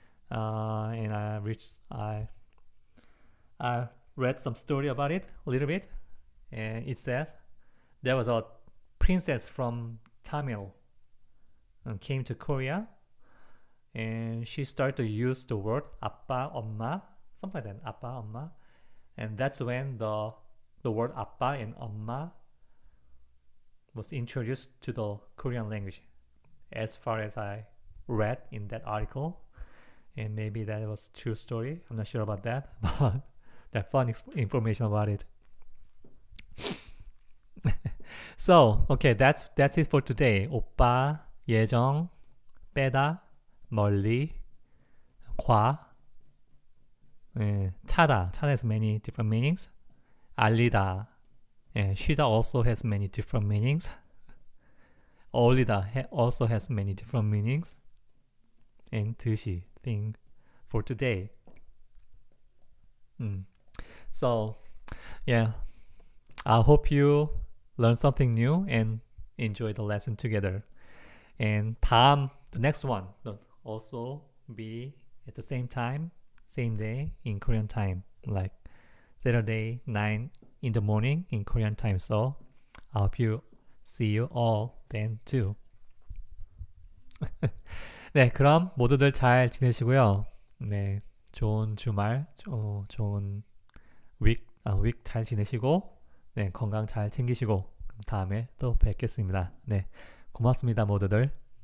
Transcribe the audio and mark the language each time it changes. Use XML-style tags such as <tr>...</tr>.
<en>And I read some story about it a little bit, and it says there was a princess from Tamil and came to Korea, and she started to use the word</en> <ko>아빠, 엄마,</ko> <en>something like that, 아빠, 엄마, and that's when the word 아빠 and 엄마 was introduced to the Korean language, as far as I read in that article. And maybe that was a true story, I'm not sure about that, but that fun information about it. So, okay, that's it for today.</en> <ko>오빠, 예정, 빼다, 멀리, 과, 차다. 차다</ko> <en>has many different meanings.</en> <ko>알리다, 쉬다</ko> <en>also has many different meanings.</en> <ko>어울리다</ko> <en>also has many different meanings. And</en> <ko>듯이,</ko> <en>thing for today. So, yeah, I hope you learn something new and enjoy the lesson together. And</en> <ko>다음,</ko> <en>the next one will also be at the same time, same day in Korean time, like Saturday 9 in the morning in Korean time. So I hope you see you all then too.</en> <ko>네, 그럼 모두들 잘 지내시고요. 네, 좋은 주말, 좋은</ko> <en>week</en> <ko>잘 지내시고, 네, 건강 잘 챙기시고, 다음에 또 뵙겠습니다. 네, 고맙습니다, 모두들.</ko>